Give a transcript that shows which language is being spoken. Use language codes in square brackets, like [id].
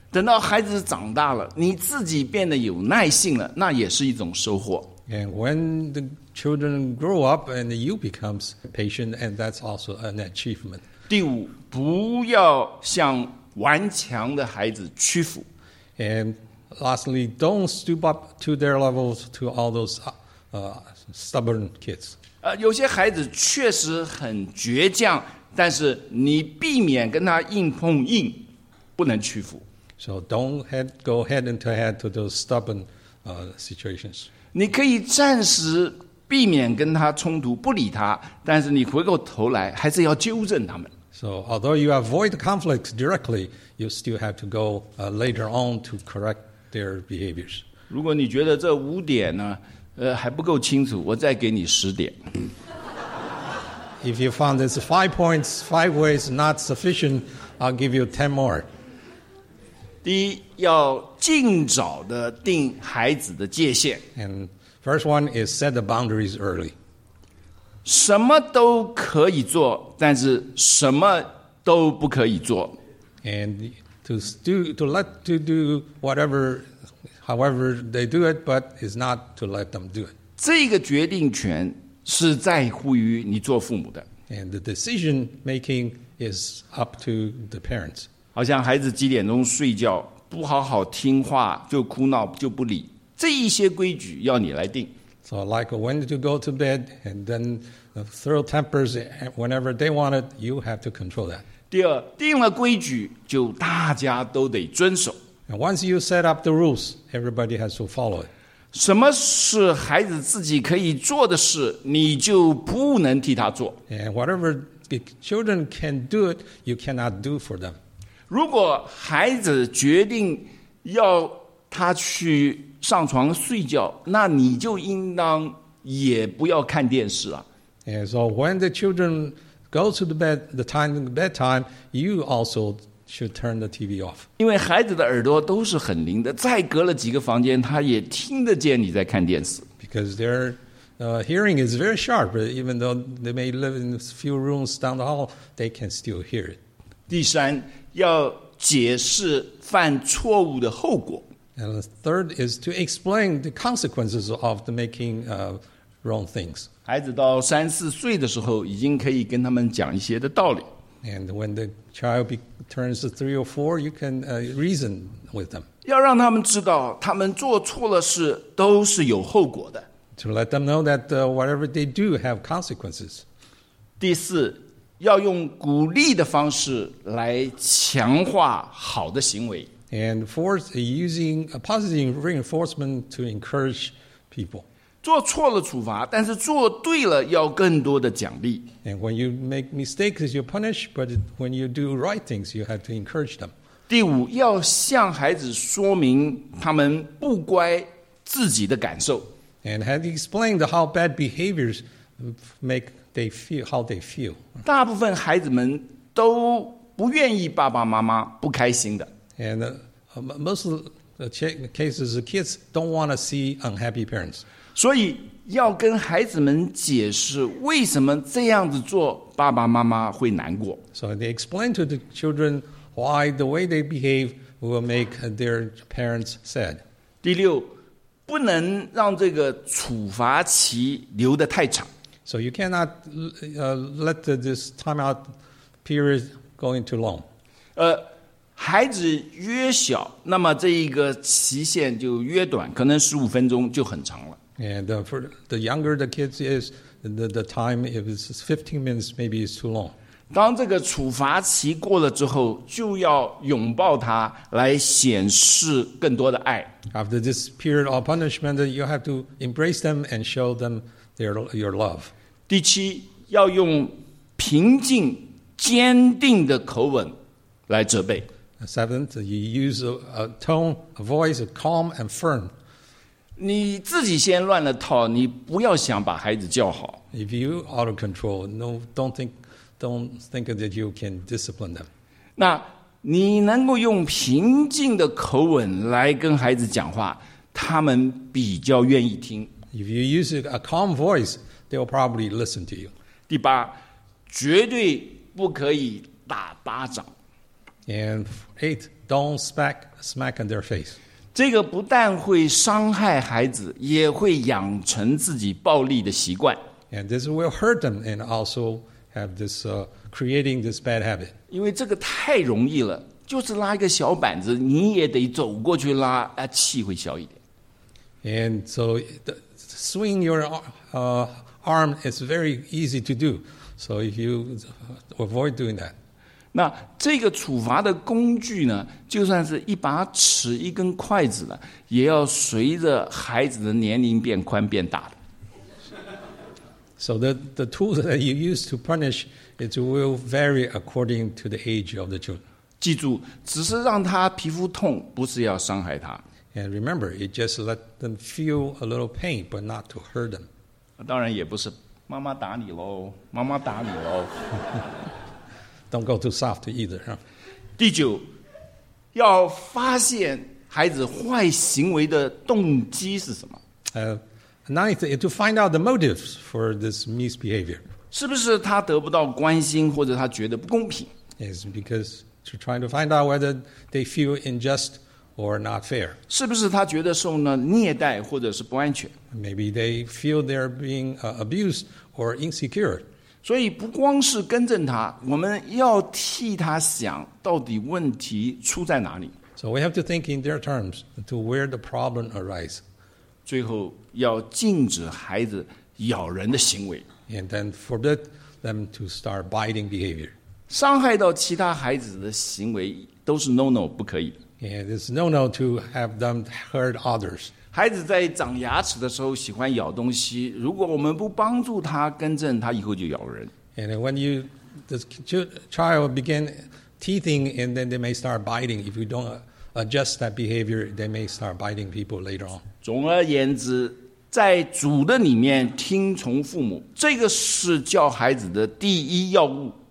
[zh] 等到孩子长大了，你自己变得有耐性了，那也是一种收获。 [en] And when the children grow up and you become patient, and that's also an achievement. [zh] 第五，不要向顽强的孩子屈服。 [en] And lastly, don't stoop up to their levels to all those stubborn kids. [zh] 有些孩子确实很倔强，但是你避免跟他硬碰硬。不能屈服。 [en] So don't go head to head to those stubborn situations. [zh] 你可以暂时避免跟他冲突，不理他，但是你回过头来还是要纠正他们。 [en] So although you avoid conflicts directly, you still have to go later on to correct their behaviors. [zh] 如果你觉得这五点呢，还不够清楚，我再给你十点。 [en] If you found this five points, five ways not sufficient, I'll give you 10 more. [zh] 第一，要尽早的定孩子的界限。 [en] And first one is set the boundaries early. [zh] 什么都可以做，但是什么都不可以做。 [en] And to let whatever, however they do it, but it's not to let them do it. [zh] 这个决定权是在乎于你做父母的。 [en] And the decision making is up to the parents. [zh] 好像孩子几点钟睡觉，不好好听话就哭闹就不理，这一些规矩要你来定。 [en] So like when to go to bed and then throw tempers whenever they want it, you have to control that. [zh] 第二，定了规矩就大家都得遵守。 [en] And once you set up the rules, everybody has to follow it. [zh] 什么是孩子自己可以做的事，你就不能替他做。 [en] And whatever children can do it, you cannot do for them. [zh] 如果孩子决定要他去上床睡觉，那你就应当也不要看电视啊。 [en] And so when the children go to the bed, the time of bedtime, you also should turn the TV off. [zh] 因为孩子的耳朵都是很灵的，再隔了几个房间，他也听得见你在看电视。 [en] Because they're hearing is very sharp, even though they may live in a few rooms down the hall, they can still hear it. [zh] 第三，要解释犯错误的后果。 [en] And the third is to explain the consequences of the making wrong things. [zh] 孩子到三四岁的时候，已经可以跟他们讲一些的道理。 [en] And when the child turns three or four, you can reason with them. [zh] 要让他们知道，他们做错了事都是有后果的。 [en] To let them know that whatever they do have consequences. [zh] 第四，要用鼓励的方式来强化好的行为。 [en] And fourth, using a positive reinforcement to encourage people. [zh] 做错了处罚，但是做对了要更多的奖励。 [en] And when you make mistakes, you punish, but when you do right things, you have to encourage them. [zh] 第五，要向孩子说明他们不乖自己的感受。 [en] And have explained how bad behaviors make they feel, how they feel. [zh] 大部分孩子们都不愿意爸爸妈妈不开心的。 [en] And most of the cases, the kids don't want to see unhappy parents. [zh] 所以要跟孩子们解释为什么这样子做爸爸妈妈会难过。 [en] So they explain to the children why the way they behave will make their parents sad. [zh] 第六，不能让这个处罚期留得太长。 [en] So you cannot let this timeout period go in too long. [zh] 孩子越小，那么这一个期限就越短，可能十五分钟就很长了。 [en] And for the younger the kids is, the time if it's 15 minutes maybe is too long. [zh] 当这个处罚期过了之后，就要拥抱他来显示更多的爱。 [en] After this period of punishment, you have to embrace them and show them your love. [zh] 第七，要用平静、坚定的口吻来责备。 [en] Seventh, you use a tone, a voice, a calm and firm. [zh] 你自己先乱了套，你不要想把孩子教好。 [en] If you out of control, no, don't think that you can discipline them. [zh] 那你能够用平静的口吻来跟孩子讲话，他们比较愿意听。 [en] If you use a calm voice, they'll probably listen to you. [zh] 第八，绝对不可以打巴掌。 [en] And 8, don't smack on their face. [zh] 这个不但会伤害孩子，也会养成自己暴力的习惯。 [en] And this will hurt them and also have this, creating this bad habit. [zh] 因为这个太容易了，就是拉一个小板子，你也得走过去拉，啊，气会小一点。 [en] And so, swing your, arm is very easy to do. So if you avoid doing that. [zh] 那这个处罚的工具呢，就算是一把尺、一根筷子了，也要随着孩子的年龄变宽变大的。 [en] So the tools that you use to punish it will vary according to the age of the children. [zh] 记住，只是让他皮肤痛，不是要伤害他。 [en] And remember, it just let them feel a little pain, but not to hurt them. [zh] 当然也不是妈妈打你喽，妈妈打你喽。 [en] Don't go too soft either.、Huh? [zh] 第九，要发现孩子坏行为的动机是什么。 [en] Ninth, to find out the motives for this misbehavior. [zh] 是不是他得不到关心，或者他觉得不公平 [en] ？Is because to try to find out whether they feel unjust or not fair. [zh] 是不是他觉得受了虐待，或者是不安全 [en] ？Maybe they feel they're being abused or insecure. [zh] 所以不光是更正他，我们要替他想到底问题出在哪里。 [en] So we have to think in their terms to where the problem arises. [zh] 最后要禁止孩子咬人的行为。 [en] And then forbid them to start biting behavior. [zh] 伤害到其他孩子的行为都是 no-no, 不可以。 [en] And it's no-no to have them hurt others. [zh] 孩子在长牙齿的时候喜欢咬东西，如果我们不帮助他更正，他以后就咬人。 [en] And when you, the child begin teething, and then they may start biting. If you don't adjust that behavior, they may start biting people later on. [zh] 总而言之，在主的里面听从父母，这个是教孩子的第一要务。